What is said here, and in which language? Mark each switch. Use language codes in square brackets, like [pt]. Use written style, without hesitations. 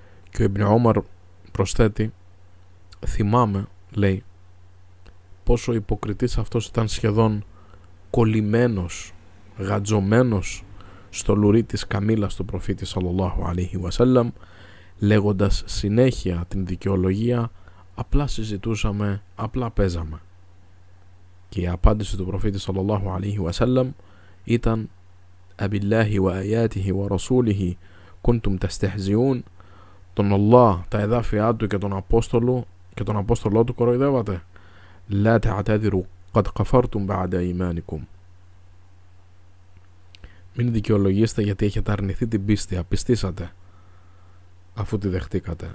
[el] Και ο Ιμπν Ομαρ προσθέτει: θυμάμαι, λέει, πόσο ο υποκριτής αυτός ήταν σχεδόν κολλημένος, γαντζωμένος στο λουρί της καμήλας του προφήτη sallallahu alaihi wasallam, λέγοντας συνέχεια την δικαιολογία: απλά συζητούσαμε, απλά παίζαμε. Και η απάντηση του προφήτη sallallahu alaihi wasallam ήταν: [ar] أبالله وآياته ورسوله كنتم تستهزئون. [el] Τον Αλλά, τα εδάφια του και τον Απόστολο και τον Απόστολό του κοροϊδεύατε. [ar] Λα τεατέδιρου, κατ' καφάρτουν μπαντε ημάνικουμ. [el] Μην δικαιολογήσετε γιατί έχετε αρνηθεί την πίστη, απιστήσατε αφού τη δεχτήκατε.